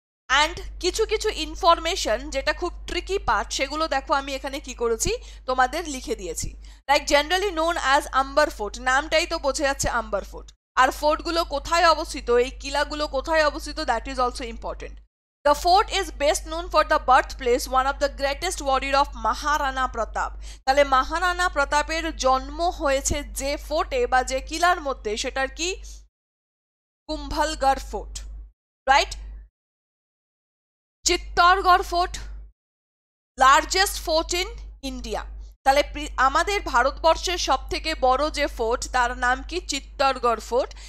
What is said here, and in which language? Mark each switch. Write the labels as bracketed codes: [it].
[bn] And কিছু কিছু information যেটা খুব ট্রিকি পার্ট, সেগুলো দেখো আমি এখানে কী করেছি, তোমাদের লিখে দিয়েছি। [en] like generally known as [bn] amber fort, নামটাই তো বোঝা যাচ্ছে আম্বার ফোর্ট, আর ফোর্টগুলো কোথায় অবস্থিত, এই কিলাগুলো কোথায় অবস্থিত, [en] That is also important. The fort is best known for the birthplace, one of the greatest warrior of Maharana Pratap. [bn] তাহলে মহারানা প্রতাপের জন্ম হয়েছে যে ফোর্টে বা যে কিলার মধ্যে, সেটার কি? [en] Kumbhalgarh fort, right? Chittorgarh fort, largest fort in India. [bn] তাহলে আমাদের ভারতবর্ষের সব থেকে বড় যে ফোর্ট, তার নাম কি? চিত্তরগড় ফোর্ট।